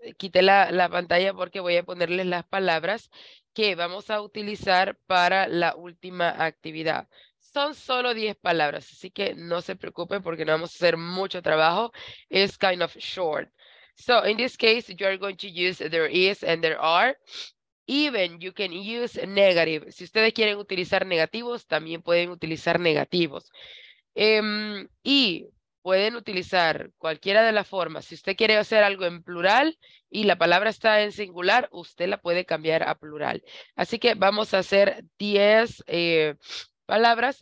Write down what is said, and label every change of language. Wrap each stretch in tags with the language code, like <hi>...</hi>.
<es>Quité la pantalla porque voy a ponerles las palabras que vamos a utilizar para la última actividad. Son solo 10 palabras, así que no se preocupen porque no vamos a hacer mucho trabajo.</es> <en>It's kind of short. So in this case, you are going to use there is and there are. Even you can use negative.</en> <es>Si ustedes quieren utilizar negativos, también pueden utilizar negativos. Y pueden utilizar cualquiera de las formas. Si usted quiere hacer algo en plural y la palabra está en singular, usted la puede cambiar a plural. Así que vamos a hacer 10 palabras.</es>